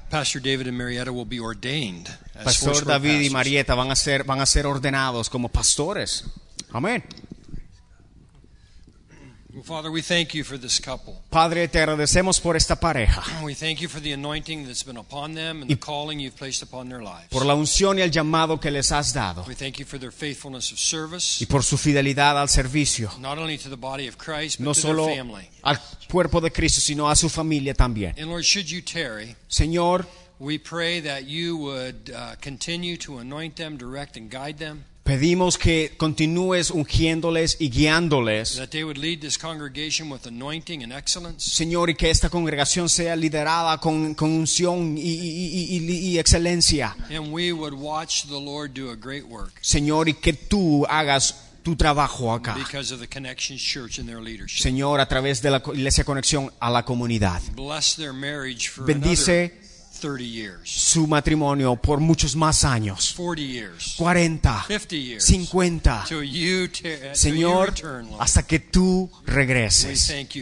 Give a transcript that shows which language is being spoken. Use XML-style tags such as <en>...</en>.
<en>Pastor David and Marietta will be ordained as Pastor David pastors.</en> <es>Y Marietta van a ser ordenados como pastores. Amén.</es> <en>Well, Father, we thank you for this couple.</en> <es>Padre, te agradecemos por esta pareja.</es> <en>We thank you for the anointing that's been upon them and the calling you've placed upon their lives.</en> <es>Por la unción y el llamado que les has dado.</es> <en>We thank you for their faithfulness of service.</en> <es>Y por su fidelidad al servicio.</es> <en>Not only to the body of Christ, but</en> <es>no</es> <en>to</en> <es>solo</es> <en>their family.</en> <es>Al cuerpo de Cristo, sino a su familia también.</es> <en>And Lord, should you tarry,</en> <es>Señor,</es> <en>we pray that you would continue to anoint them, direct and guide them.</en> <es>Pedimos que continúes ungiéndoles y guiándoles.</es> <en>That they would lead this congregation with anointing and excellence.</en> <es>Señor, y que esta congregación sea liderada con unción y excelencia.</es> <en>And we would watch the Lord do a great work.</en> <es>Señor, y que tú hagas tu trabajo acá.</es> <en>Because of the Connections Church and their leadership.</en> <es>Señor, a través de la Iglesia Conexión a la comunidad.</es> <en>Bless their marriage for</en> <es>Bendice</es> <en>30 years.</en> <es>Su matrimonio por muchos más años.</es> <en>40 years.</en> <es>40.</es> <en>50 years.</en> <es>50. Señor, hasta que tú regreses.</es>